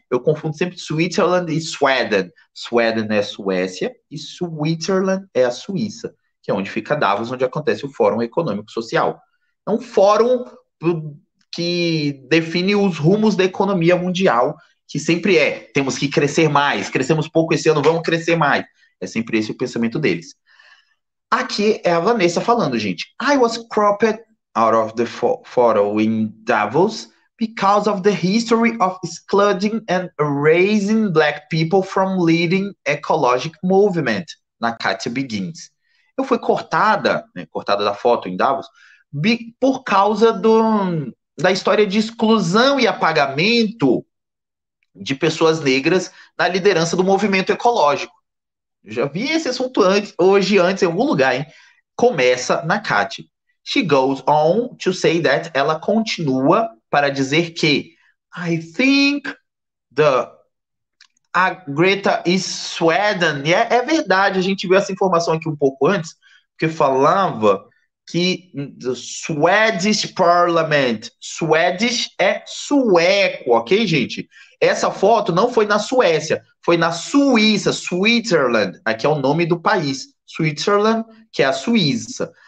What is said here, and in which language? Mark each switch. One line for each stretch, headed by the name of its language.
Portuguese: Eu confundo sempre Switzerland e Sweden. Sweden é a Suécia e Switzerland é a Suíça, que é onde fica Davos, onde acontece o Fórum Econômico Social. É um fórum que define os rumos da economia mundial, que sempre é: temos que crescer mais, crescemos pouco esse ano, vamos crescer mais. É sempre esse o pensamento deles. Aqui é a Vanessa falando, gente.
English: I was cropped out of the photo in Davos because of the history of excluding and erasing black people from leading ecologic movement. Nakate begins.
Portuguese: Eu fui cortada, né, cortada da foto em Davos, por causa da história de exclusão e apagamento de pessoas negras na liderança do movimento ecológico. Eu já vi esse assunto antes, hoje antes, em algum lugar, hein? Começa Nakate.
English: She goes on to say that,
Portuguese: ela continua para dizer que
English: I think a Greta is Sweden.
Portuguese: E é verdade, a gente viu essa informação aqui um pouco antes, que falava que
English: the Swedish Parliament,
Portuguese: Swedish é sueco, ok, gente? Essa foto não foi na Suécia, foi na Suíça, Switzerland, aqui é o nome do país, Switzerland, que é a Suíça.